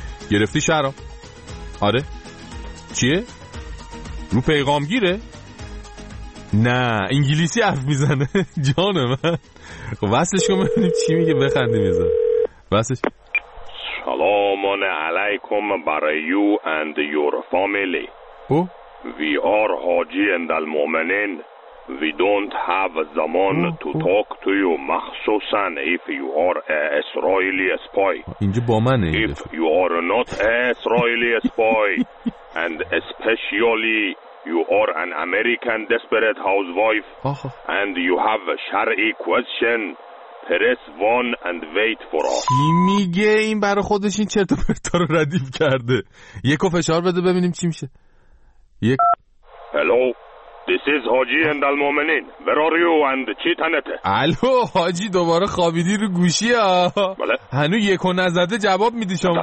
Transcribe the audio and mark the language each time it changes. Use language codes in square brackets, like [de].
[fa] گرفتی شهرام؟ آره. چیه؟ رو پیغام گیره؟ نه، انگلیسی حرف میزنه. جان من. خب وصلش کن ببینیم چی میگه، بخندیم یه. وصلش. سلام علیکم برای [en] You and your family. Oh we are حاجی اندلمومنین. We don't have [fa] زمان [en] to talk to you [fa] مخصوصا [en] if you are a Israeli spy. [fa] اینجا با منه. [en] If you are not a Israeli spy and especially you are an American desperate housewife and you have a شرعی question, press 1 and wait for us. [fa] چی میگه این؟ برای خودش این چرت و پرتا رو ردیف کرده. یکو فشار بده ببینیم چی میشه. یک. [en] Hello. This is Haji and Al-Mu'minin. Where are you and [fa] چی تنته؟ الو حاجی، دوباره خوابیدی رو گوشی ها. بله. هنو یک و نزده جواب میدی شما.